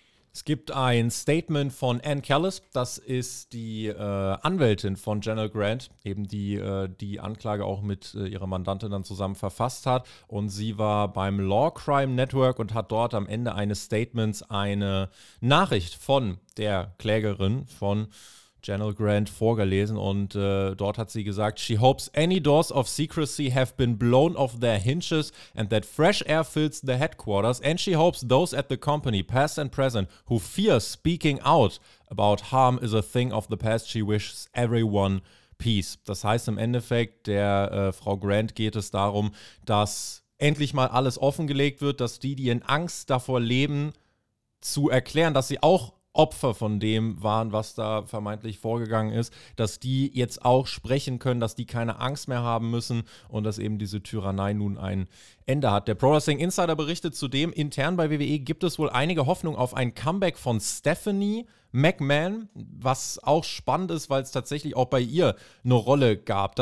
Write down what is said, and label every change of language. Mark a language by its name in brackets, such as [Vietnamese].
[German] Es gibt ein Statement von Ann Callis, das ist die Anwältin von General Grant, eben die die Anklage auch mit ihrer Mandantin dann zusammen verfasst hat. Und sie war beim Law Crime Network und hat dort am Ende eines Statements eine Nachricht von der Klägerin, von General Grant vorgelesen und dort hat sie gesagt, [English] she hopes any doors of secrecy have been blown off their hinges and that fresh air fills the headquarters and she hopes those at the company, past and present, who fear speaking out about harm is a thing of the past, she wishes everyone peace. [German] Das heißt im Endeffekt, der Frau Grant geht es darum, dass endlich mal alles offengelegt wird, dass die, die in Angst davor leben, zu erklären, dass sie auch Opfer von dem waren, was da vermeintlich vorgegangen ist, dass die jetzt auch sprechen können, dass die keine Angst mehr haben müssen und dass eben diese Tyrannei nun ein Ende hat. Der Pro Wrestling Insider berichtet zudem, intern bei WWE gibt es wohl einige Hoffnung auf ein Comeback von Stephanie McMahon, was auch spannend ist, weil es tatsächlich auch bei ihr eine Rolle gab.